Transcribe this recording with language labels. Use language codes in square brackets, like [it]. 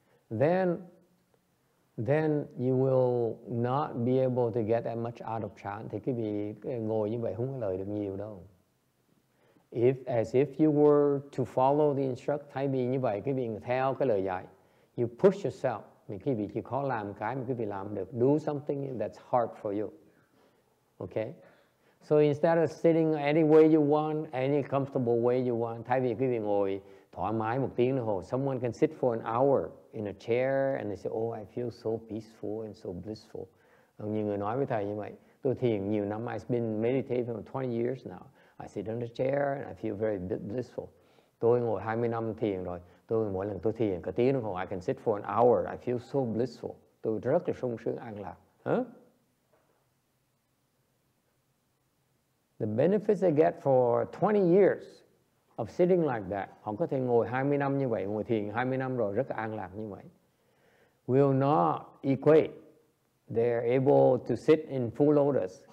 [en] Then you will not be able to get that much out of chan. [vi] Thì quý vị ngồi như vậy không có lời được nhiều đâu. [en] As if you were to follow the instructor, [vi] thay vì như vậy, quý vị theo cái lời dạy, [en] you push yourself. [vi] Quý vị chỉ khó làm cái mà quý vị làm được. [en] Do something that's hard for you. Okay? So instead of sitting any way you want, any comfortable way you want, [vi] thay vì quý vị ngồi thoải mái một tiếng đồng hồ, [en] someone can sit for an hour in a chair and they say, oh, I feel so peaceful and so blissful. [vi] Nhiều người nói với thầy như vậy, tôi thiền nhiều năm, [en] I've been meditating for 20 years now. I sit on a chair and I feel very blissful. [vi] Tôi ngồi 20 năm thiền rồi, tôi mỗi lần tôi thiền cả tiếng đồng hồ, [en] I can sit for an hour, I feel so blissful. [vi] Tôi rất là sung sướng an lạc. Huh? [en] The benefits they get for 20 years of sitting like that, [vi] họ có thể ngồi 20 năm như vậy, [en] ngồi thiền 20 năm rồi, rất an lạc như vậy, will not equate they're able to sit in full lotus.